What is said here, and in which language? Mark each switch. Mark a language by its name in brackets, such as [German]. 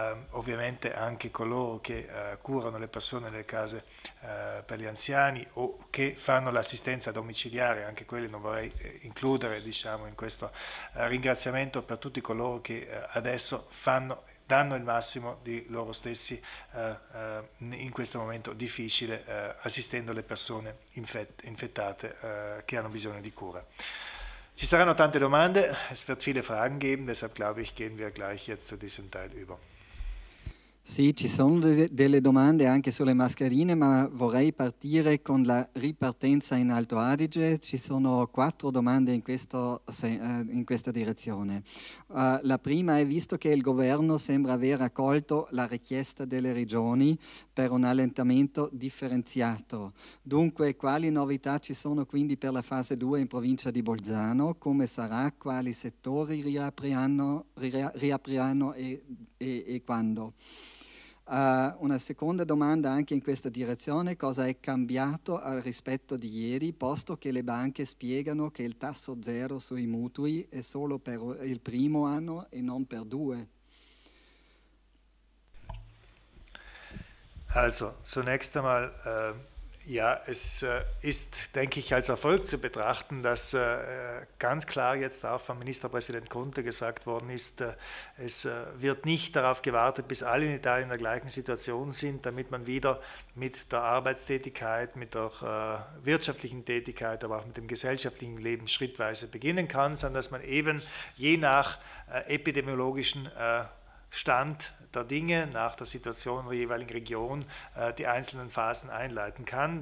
[Italian] ovviamente anche coloro che curano le persone nelle case per gli anziani o che fanno l'assistenza domiciliare, anche quelli non vorrei includere, diciamo, in questo ringraziamento, per tutti coloro che adesso danno il massimo di loro stessi in questo momento difficile, assistendo le persone infettate che hanno bisogno di cura. Ci saranno tante domande, [German] es wird viele Fragen geben, deshalb glaube ich, gehen wir gleich jetzt zu diesem Teil über. [Italian] Sì, ci sono delle domande anche sulle mascherine, ma vorrei partire con la ripartenza in Alto Adige. Ci sono quattro domande in questa direzione. La prima è: visto che il governo sembra aver accolto la richiesta delle regioni per un allentamento differenziato, dunque quali novità ci sono quindi per la fase 2 in provincia di Bolzano? Come sarà? Quali settori riapriranno e quando? Una seconda domanda anche in questa direzione: cosa è cambiato al rispetto di ieri, posto che le banche spiegano che il tasso zero sui mutui è solo per il primo anno e non per due? [German] Also, zunächst einmal, ja, es ist, denke ich, als Erfolg zu betrachten, dass ganz klar jetzt auch vom Ministerpräsident Conte gesagt worden ist, es wird nicht darauf gewartet, bis alle in Italien in der gleichen Situation sind, damit man wieder mit der Arbeitstätigkeit, mit der wirtschaftlichen Tätigkeit, aber auch mit dem gesellschaftlichen Leben schrittweise beginnen kann, sondern dass man eben je nach epidemiologischen Stand der Dinge nach der Situation der jeweiligen Region die einzelnen Phasen einleiten kann.